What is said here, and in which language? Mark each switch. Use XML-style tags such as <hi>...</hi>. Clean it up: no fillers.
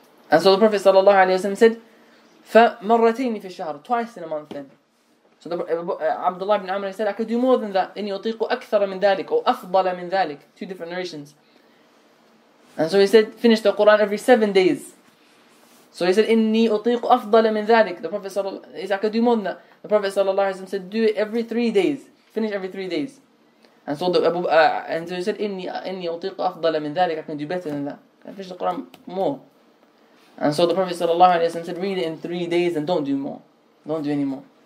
<en>And so the Prophet sallallahu alaihi wasallam said,</en> <ar>"فَمَرَّتَيْنِ فِي الشَّهْرِ,</ar> <en>twice in a month then." So Abdullah ibn Amr, he said, "I could do more than that.</en> <ar>إِنِّي أُطِيقُ أَكْثَرَ مِنْ ذَلِكَ or أَفْضَلَ مِنْ ذَلِكَ."</ar> <en>Two different narrations. And so he said, "Finish the Quran every 7 days." So he said,</en> <ar>"إِنِّي أُطِيقُ أَفْضَلَ مِنْ ذَلِكَ."</ar> <en>The Prophet sallallahu alaihi wasallam, "I could do more than that." The Prophet sallallahu alaihi wasallam said, "Do it every 3 days. Finish every 3 days." And so he said,</en> <ar>"إِنِّي أُطِيقُ أَفْضَلَ مِنْ ذَلِكَ,</ar> <en>I can do better than that. I can finish the Quran more." And so the Prophet sallallahu alaihi wasallam said, "Read it in 3 days and don't do more. Don't do any more."</en>